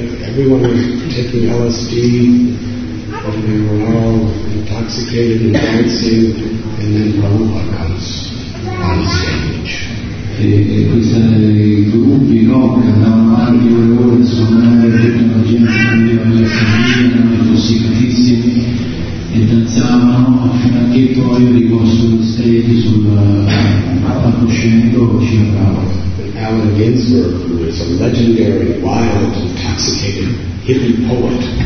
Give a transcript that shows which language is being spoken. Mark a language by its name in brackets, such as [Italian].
[English] Everyone was taking LSD, and they were all intoxicated and dancing, and then Prabhupada comes on stage. [Italian] E questi gruppi, no, che andavano anche due ore a suonare, tutta la gente veniva a sentire, erano intossicatissimi e danzavano fino a che poi arrivò sul stage, sul palcoscenico, ci andavano. [English] Allen Ginsberg, who is a legendary, wild, intoxicated hippie poet,